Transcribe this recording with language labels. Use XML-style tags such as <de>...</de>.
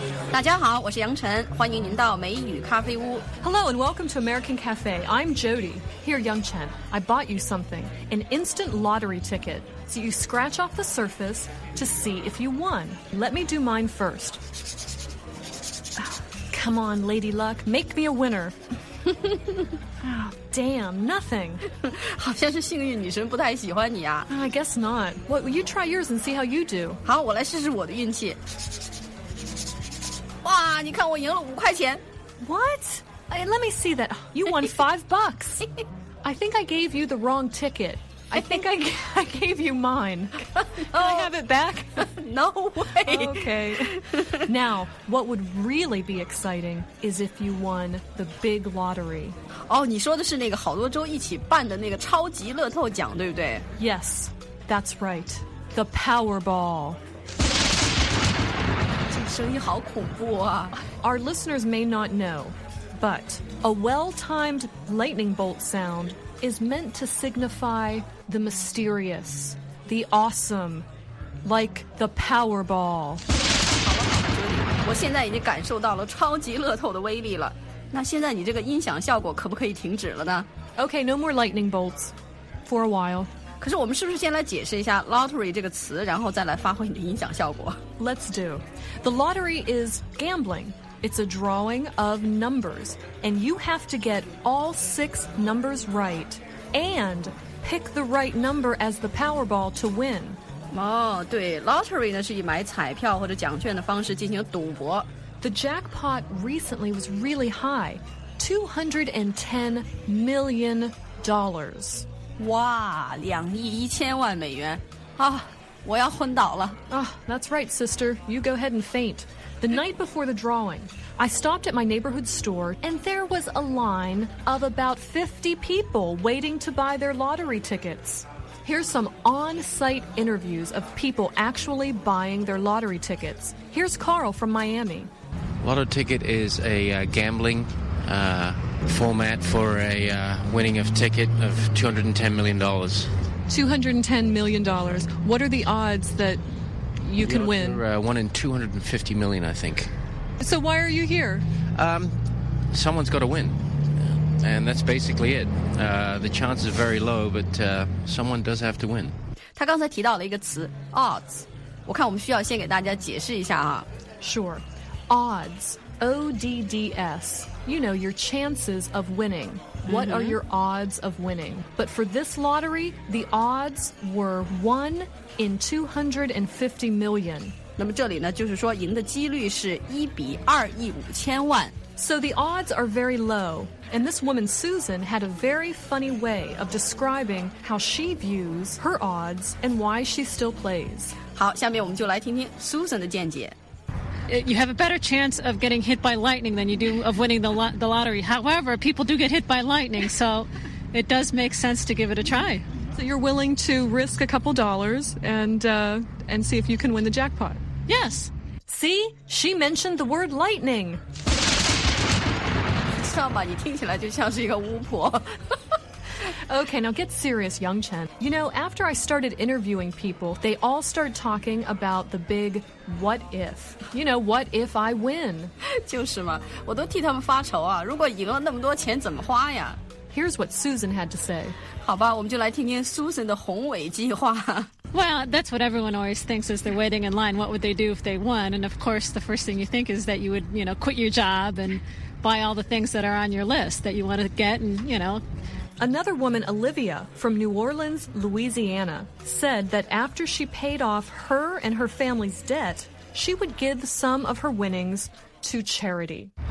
<zh>大家好，我是杨晨，欢迎您到美语咖啡屋。</zh> <en>Hello and welcome to American Cafe. I'm Jody. Here, Yang Chen. I bought you something, an instant lottery ticket. So you scratch off the surface to see if you won. Let me do mine first. Come on, Lady Luck, make me a winner. Damn, nothing.</en> <zh>好像是幸运女神不太喜欢你啊。</zh> <en>I guess not. Well, you try yours and see how you do.</en> <zh>好，我来试试我的运气。哇，你看我赢了五块钱。</zh> <en>What? Let me see that. You won $5. I think I gave you the wrong ticket. I think I gave you mine. Can I have it back? No way. Okay. Now, what would really be exciting is if you won the big lottery.</en> <zh>哦，你说的是那个好多州一起办的那个超级乐透奖，对不对？</zh> <en>Yes, that's right. The Powerball.</en> <zh>声音好恐怖啊。</zh> <en>Our listeners may not know, but a well-timed lightning bolt sound is meant to signify the mysterious, the awesome, like the Powerball.</en> <zh>好了好了，我现在已经感受到了超级乐透的威力了。那现在你这个音响效果可不可以停止了呢？</zh> <en>Okay, no more lightning bolts for a while.</en> <zh>可是我们是不是先来解释一下 lottery 这个词，然后再来发挥你的音响效果？</zh> <en>Let's do. The lottery is gambling. It's a drawing of numbers, and you have to get all six numbers right and pick the right number as the Powerball to win.</en> <zh>哦，对， lottery 呢是以买彩票或者奖券的方式进行赌博。</zh> <en>The jackpot recently was really high, $210 million.</en> <zh>哇，$2,100,000,000啊，我要昏倒了。</zh> <en>Oh, that's right, sister. You go ahead and faint. The night before the drawing, I stopped at my neighborhood store, and there was a line of about 50 people waiting to buy their lottery tickets. Here's some on-site interviews of people actually buying their lottery tickets. Here's Carl from Miami. Lottery ticket is a gambling... format for a winning of ticket of $210 million. $210 million. What are the odds that you can win? One in 250 million, I think. So why are you here? Someone's got to win, and that's basically it. The chance is very low, but someone does have to win.</en> <zh>他刚才提到了一个词 odds. 我看我们需要先给大家解释一下啊。</zh> <en>Sure, odds. O-D-D-S. You know, your chances of winning. What、mm-hmm. are your odds of winning? But for this lottery, the odds were 1 in 250 million.</en> <zh>那么这里呢，就是说赢的几率是一比二亿五千万。</zh> <en>So the odds are very low. And this woman, Susan, had a very funny way of describing how she views her odds and why she still plays.</en> <zh>好，下面我们就来听听 Susan 的见解。</zh> <en>You have a better chance of getting hit by lightning than you do of winning the lottery. However, people do get hit by lightning, so it does make sense to give it a try. So you're willing to risk a couple dollars and see if you can win the jackpot? Yes. See? She mentioned the word lightning.</en> <zh>知道吧，你听起来就像是一个巫婆。</zh> <en>Okay, now get serious, Yang Chen. You know, after I started interviewing people, they all started talking about the big what if. You know, what if I win?</en> <zh>就是嘛，我都替他们发愁啊，如果赢了那么多钱怎么花呀？</zh> <en>Here's what Susan had to say.</en> <zh>好吧，我们就来听听 Susan 的宏伟计划。</zh> <en>Well, that's what everyone always thinks as they're waiting in line. What would they do if they won? And of course, the first thing you think is that you would, you know, quit your job and buy all the things that are on your list that you want to get and, you know... Another woman, Olivia, from New Orleans, Louisiana, said that after she paid off her and her family's debt, she would give some of her winnings to charity.</en>